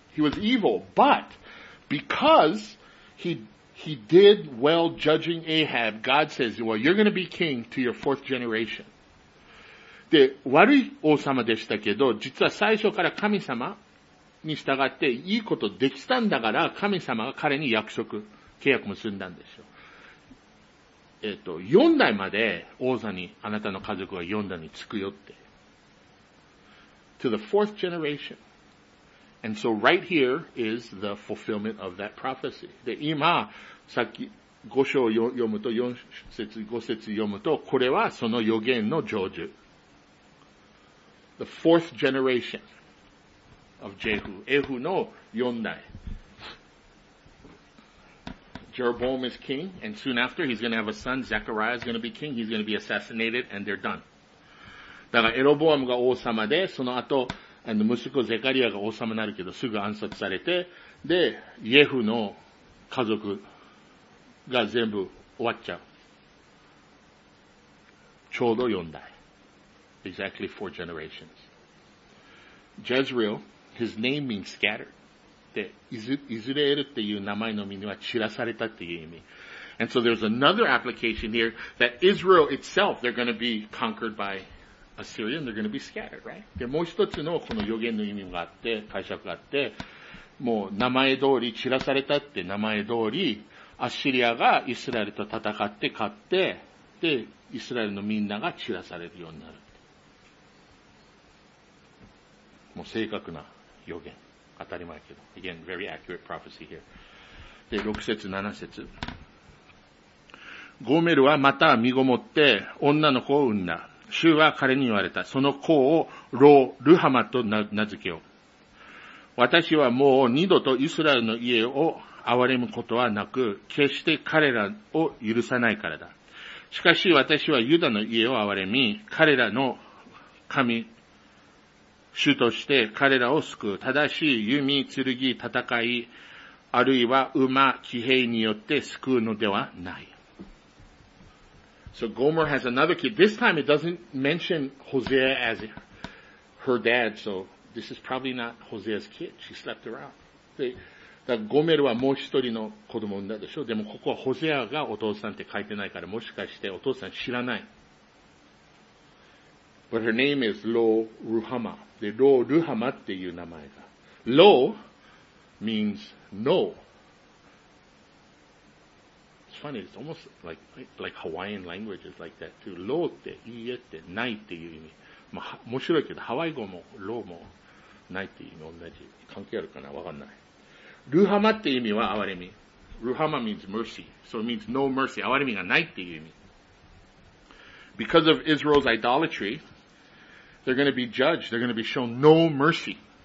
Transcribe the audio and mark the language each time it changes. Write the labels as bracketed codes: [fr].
[en] He was evil, but because he did well judging Ahab, God says, well, you're going to be king to your fourth generation. [ja] で、悪い王様でしたけど、実は最初から神様に従っていいことできたんだから、神様が彼に約束、契約結んだんでしょう。四代まで王座にあなたの家族が四代につくよって。 [en] To the fourth generation. And so right here is the fulfillment of that prophecy. [ja] で、今、さっき五章を読むと、五節読むと、これはその予言の成就。 [en] The fourth generation of Jehu. [ja] エフの四代。 [en] Jeroboam is king, and soon after he's going to have a son. Zechariah is going to be king. He's going to be assassinated, and they're done. [ja] だからエロボアムが王様で、その後あの息子ゼカリアが王様になるけど、すぐ暗殺されて、でイエフの家族が全部終わっちゃう。ちょうど4代。 [en] Exactly four generations. Jezreel, his name means scattered. [ja] で、イズレエルっていう名前の意味には散らされたっていう意味。 [en] And so there's another application here that Israel itself, they're going to be conquered by Assyria and they're going to be scattered, right? [ja] で、もう一つのこの予言の意味があって、解釈があって、もう名前通り散らされたって名前通り、アッシリアがイスラエルと戦って勝って、で、イスラエルのみんなが散らされるようになる。もう正確な予言。当たり前けど。 [en] Again, very accurate prophecy here. [ja] で、6節、7節。ゴメルはまた身ごもって女の子を産んだ。主は彼に言われた。その子をロー・ルハマと名付けよう。私はもう二度とイスラエルの家を憐れむことはなく、決して彼らを許さないからだ。しかし私はユダの家を憐れみ、彼らの神、主として彼らを救う。正しい弓、剣、戦い、あるいは馬、騎兵によって救うのではない。 [en] So Gomer has another kid. This time it doesn't mention Hosea as her dad, so this is probably not Hosea's kid. She slept around. [ja] で、だからゴメルはもう一人の子供を産んだでしょ。でもここはホゼアがお父さんって書いてないから、もしかしてお父さん知らない。 [en] But her name is Lo Ruhama. [ja] で、Lo Ruhama っていう名前が。 [en] Lo means no. It's funny, it's almost like Hawaiian languages like that too. [ja] Lo って、いいえって、ないっていう意味。まあ、面白いけど、ハワイ語も Lo もないっていう意味同じ。関係あるかな?わかんない。Ruhama って意味は憐れみ。 [en] Ruhama means mercy. So it means no mercy. [ja] 憐れみがないっていう意味。 [en] Because of Israel's idolatry,They're going to be judged. They're going to be shown no mercy.